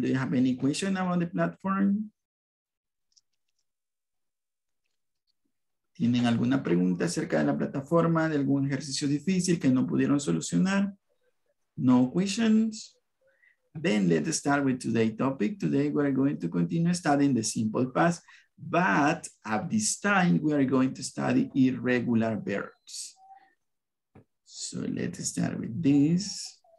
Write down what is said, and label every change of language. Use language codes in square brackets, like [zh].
[en] Do you have any question about the platform? [es] ¿Tienen alguna pregunta acerca de la plataforma, de algún ejercicio difícil que no pudieron solucionar? [en] No questions. Then let's start with today's topic. Today we're going to continue studying the simple past. But at this time, we are going to study irregular verbs. So let's start with this.